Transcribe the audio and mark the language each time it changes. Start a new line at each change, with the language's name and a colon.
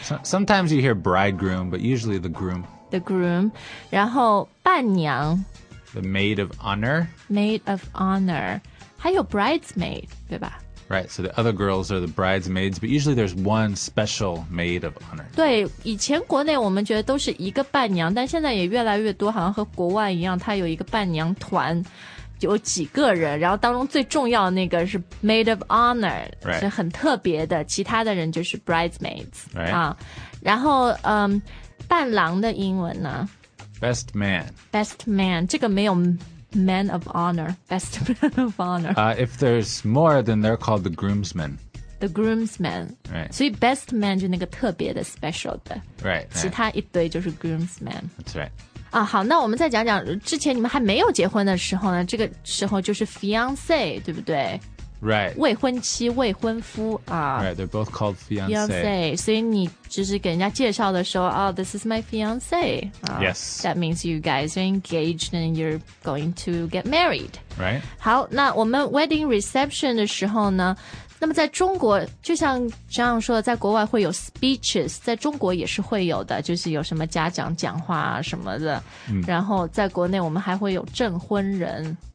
English: Sometimes you hear bridegroom, but usually the groom. The groom.
Chinese: 然后伴娘.
English: The maid of honor. Maid of honor.
Chinese: 还有
English: bridesmaid,
Chinese: 对吧?
English: Right, so the other girls are the bridesmaids, but usually there's one special maid of honor.
Chinese: 对, 以前国内我们觉得都是一个伴娘, 但现在也越来越多, 好像和国外一样, 她有一个伴娘团, 有几个人, 然后当中最重要的那个是 maid of honor,
English: right.
Chinese: 是很特别的, 其他的人就是bridesmaids.
English: Right.
Chinese: 然后, 伴郎的英文呢?
English: Best man. Best man,
Chinese: 这个没有
English: Man of honor, best man of honor. If there's more, then they're called the groomsmen. The groomsmen. Right.
Chinese: 所以 best man 就那个特别的 special 的。
English: Right.
Chinese: 其他一堆就是 groomsmen.
English: That's right.
Chinese: 好，那我们再讲讲之前你们还没有结婚的时候呢, 这个时候就是 fiancé, 对不对?
English: Right.
Chinese: 未婚妻, 未婚夫,
English: Right, they're both called fiancé.
Chinese: Fiancé, 所以你就是给人家介绍的时候,
English: oh, this is my fiancé. Yes. That means you guys are engaged and you're going to get married. Right.
Chinese: 好, 那我们 wedding reception 的时候呢, 那么在中国就像这样说的，在国外会有 speeches， 在中国也是会有的，就是有什么家长讲话啊什么的、嗯、然后在国内我们还会有证婚人，